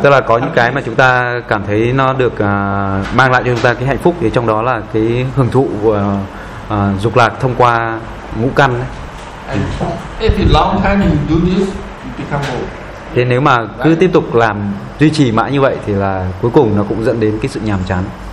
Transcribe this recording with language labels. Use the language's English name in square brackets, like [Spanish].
[Vietnamese] Tức là có những cái mà chúng ta cảm thấy nó được mang lại cho chúng ta cái hạnh phúc, thì trong đó là cái hưởng thụ của dục lạc thông qua ngũ căn. [English] If you long time you do this, you become old. [Vietnamese] Thế nếu mà cứ tiếp tục làm duy trì mãi như vậy thì là cuối cùng nó cũng dẫn đến cái sự nhàm chán.